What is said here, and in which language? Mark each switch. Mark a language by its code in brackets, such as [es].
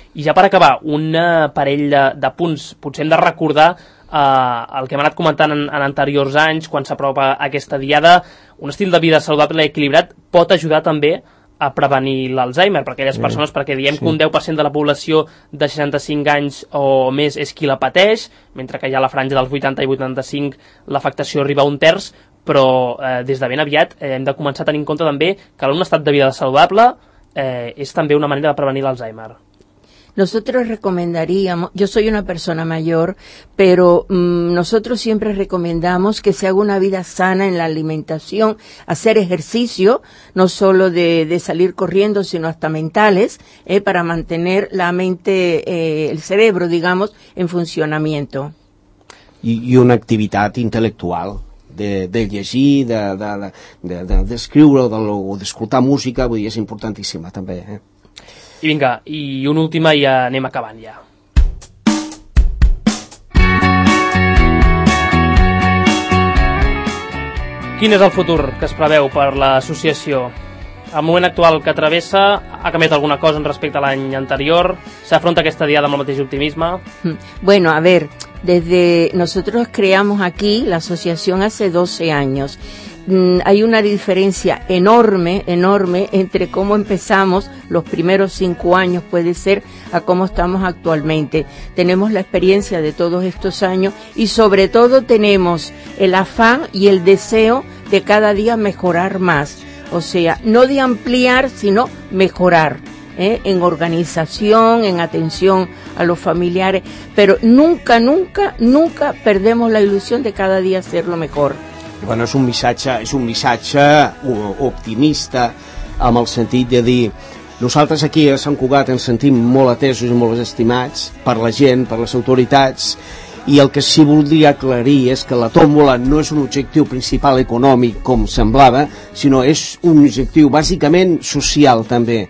[ca] I ja per acabar, un parell de punts. Potser hem de recordar el que hem anat comentant en anteriors anys, quan s'apropa aquesta diada, un estil de vida saludable i equilibrat pot ajudar també a prevenir l'Alzheimer per aquelles persones, perquè diem que un 10% de la població de 65 anys o més és qui la pateix, mentre que ja a la franja dels 80 i 85 l'afectació arriba a un terç, però des de ben aviat hem de començar a tenir en compte també que un estat de vida saludable és també una manera de prevenir l'Alzheimer. [es] Nosotros recomendaríamos, yo soy una persona mayor, pero nosotros siempre recomendamos que se haga una vida sana en la alimentación, hacer ejercicio, no solo de salir corriendo, sino hasta mentales, para mantener la mente, el cerebro, digamos, en funcionamiento. Y una actividad intelectual. [ca] De llegir, d'escriure, o d'escoltar música, vull dir, és importantíssima també, I vinga, i un últim i anem acabant ja. Quin és el futur que es preveu per l'associació? El moment actual que travessa, ha canviat alguna cosa respecte a l'any anterior? S'afronta aquesta diada amb el mateix optimisme? [es] Bueno, a ver, desde nosotros creamos aquí la asociación hace 12 años. Hay una diferencia enorme, enorme, entre cómo empezamos los primeros 5 años, puede ser, a cómo estamos actualmente. Tenemos la experiencia de todos estos años y sobre todo tenemos el afán y el deseo de cada día mejorar más. O sea, no de ampliar, sino mejorar, en organización, en atención a los familiares. Pero nunca, nunca, nunca perdemos la ilusión de cada día hacerlo mejor. [ca] Bueno, és un missatge optimista, amb el sentit de dir, nosaltres aquí a Sant Cugat ens sentim molt atesos i molt estimats per la gent, per les autoritats, i el que sí voldria aclarir és que la tòmbola no és un objectiu principal econòmic com semblava, sinó és un objectiu bàsicament social també.